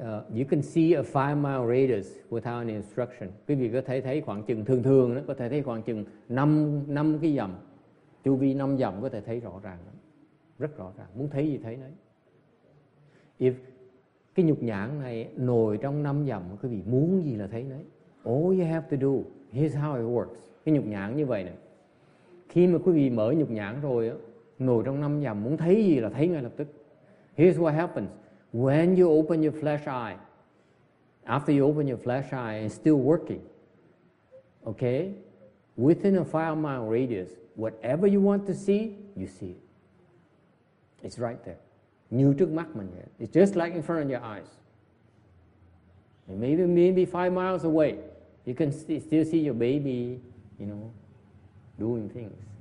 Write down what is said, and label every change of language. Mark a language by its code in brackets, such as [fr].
[en] You can see a 5-mile radius without any instruction. [vi] Quý vị có thể thấy khoảng chừng thường đó, có thể thấy khoảng chừng 5 cái dặm, chu vi 5 dặm có thể thấy rõ ràng lắm. Rất rõ ràng, muốn thấy gì thấy đấy. If cái nhục nhãn này nổi trong 5 dặm, quý vị muốn gì là thấy đấy. [en] All you have to do, here's how it works. [vi] Cái nhục nhãn như vậy này, khi mà quý vị mở nhục nhãn rồi á, nổi trong 5 dặm, muốn thấy gì là thấy ngay lập tức. [en] Here's what happens. When you open your flesh eye, after you open your flesh eye, it's still working. Okay? Within a 5-mile radius, whatever you want to see, you see it. It's right there. [vi] Như trước mắt mình vậy. [en] It's just like in front of your eyes. Maybe 5 miles away, you can still see your baby, you know, doing things.